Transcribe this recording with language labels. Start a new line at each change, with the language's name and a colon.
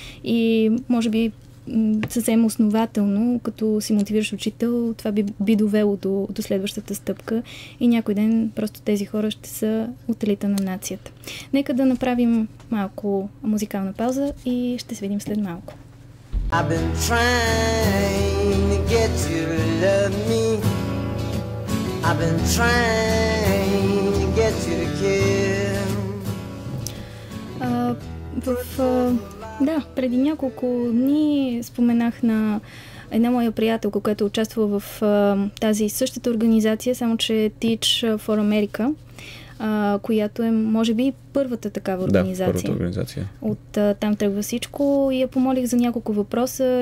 Bulgarian: И може би съвсем основателно, като си мотивираш учител, това би довело до следващата стъпка и някой ден просто тези хора ще са от елита на нацията. Нека да направим малко музикална пауза и ще се видим след малко.
English: I've been trying to get you to love me. I've been trying to get you to care.
Bulgarian: Да, преди няколко дни споменах на една моя приятелка, която участва в тази същата организация, само че Teach for America, която е, може би, първата такава организация. Да, първата организация. От там тръгва всичко и я помолих за няколко въпроса.